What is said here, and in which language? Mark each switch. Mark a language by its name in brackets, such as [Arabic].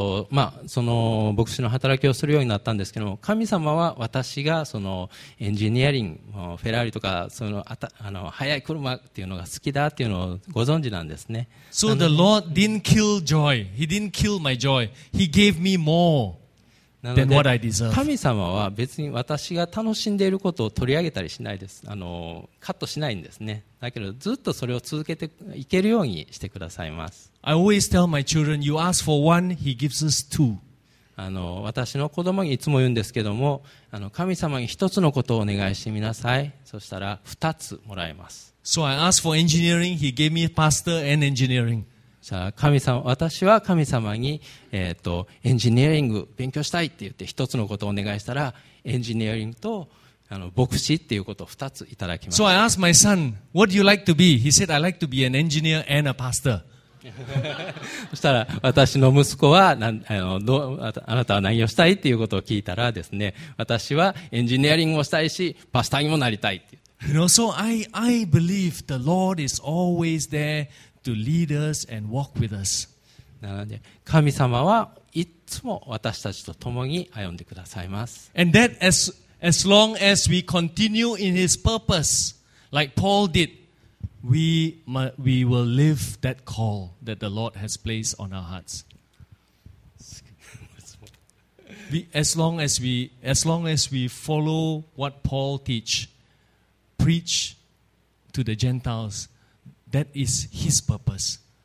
[Japanese] まあ、その牧師の働きをするようになったんですけども、神様は私がそのエンジニアリング、フェラーリとかその速い車っていうのが好きだっていうのをご存知なんですね。 [English] So the Lord didn't kill joy. He didn't kill my joy. He gave me more than what I deserve. [Japanese] 神様は別に私が楽しんでいることを取り上げたりしないです。カットしないんですね。だけどずっとそれを続けていけるようにしてくださいます。 [English] I always tell my children, you ask for one, he gives us two. [Japanese] 私の子供にいつも言うんですけども、神様に一つのことをお願いしてみなさい。そしたら二つもらえます。 [English] So I asked for engineering, he gave me pastor and engineering. [Japanese] じゃあ神様、私は神様に、エンジニアリング勉強したいって言って一つのことをお願いしたら、エンジニアリングと牧師っていうことを2ついただきました。 [English] So I asked my son, what do you like to be? He said, I like to be an engineer and a pastor. [Japanese] そしたら私の息子はあなたは何をしたいっていうことを聞いたらですね、私はエンジニアリングもしたいし、パスターにもなりたいっていう。 [English] You know, so I believe the Lord is always there to lead us and walk with us. [Japanese] なので神様はいつも私たちと共に歩んでくださいます。 [English] And that as long as we continue in his purpose, like Paul did, we will live that call that the Lord has placed on our hearts. As long as we follow what Paul teach, preach to the Gentiles, that is his purpose.